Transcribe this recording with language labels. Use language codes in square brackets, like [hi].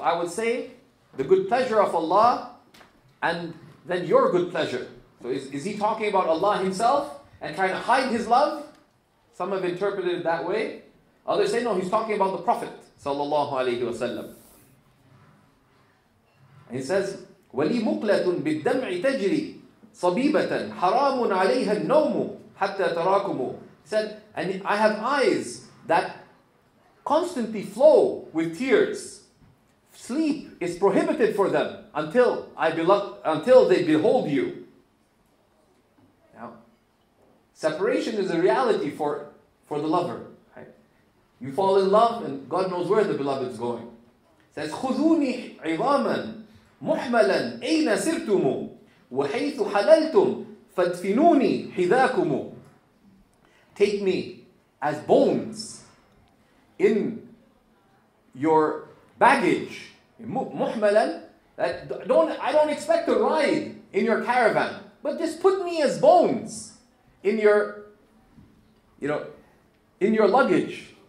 [en] I would say, the good pleasure of Allah, and then your good pleasure. So is he talking about Allah himself, and trying to hide his love? Some have interpreted it that way. Others say, no, he's talking about the Prophet, sallallahu alayhi wa sallam. He says, [ar] وَلِي مُقْلَةٌ بِالدَّمْعِ تَجْرِي صَبِيبَةً حَرَامٌ عَلَيْهَا النَّوْمُ حَتَّى تَرَاكُمُ. [en] He said, and I have eyes that constantly flow with tears. Sleep is prohibited for them until they behold you. Now, separation is a reality for the lover. Right? You fall in love and God knows where the beloved is going. He says, [ar] خُذُونِي عِظَامًا مُحْمَلًا أَيْنَ سِرْتُمُ وَحَيْثُ حَلَلْتُمْ فَادْفِنُونِي حِذَاكُمُ. [en] Take me as bones in your baggage. مُحْمَلًا, I don't expect a ride in your caravan, but just put me as bones in your, you know, in your luggage.